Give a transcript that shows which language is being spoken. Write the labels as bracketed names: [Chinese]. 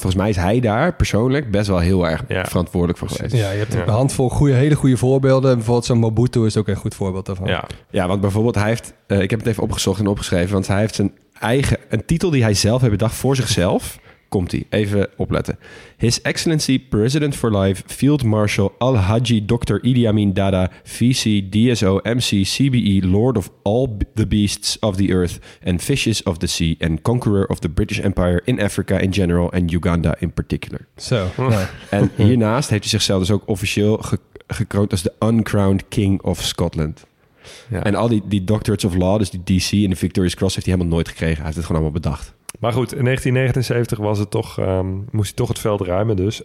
[Dutch] Volgens mij is hij daar persoonlijk best wel heel erg verantwoordelijk voor geweest. Ja, je hebt een handvol hele goede voorbeelden. Bijvoorbeeld zo'n Mobutu is ook een goed voorbeeld daarvan. Ja, ja want bijvoorbeeld hij heeft, ik heb het even opgezocht en opgeschreven, want hij heeft zijn eigen, een titel die hij zelf heeft bedacht voor zichzelf. Komt hij? Even opletten. [English] His Excellency President for Life, Field Marshal Al-Haji Dr. Idi Amin Dada, VC, DSO, MC, CBE, Lord of all the beasts of the earth and fishes of the sea and conqueror of the British Empire in Africa in general and Uganda in particular. [Dutch] Zo. So, en hiernaast heeft hij zichzelf dus ook officieel gekroond als de Uncrowned King of Scotland. Ja. En al die Doctorates of Law, dus die DC en de Victoria's Cross, heeft hij helemaal nooit gekregen. Hij heeft het gewoon allemaal bedacht. Maar goed, in 1979 was het toch, moest hij toch het veld ruimen dus.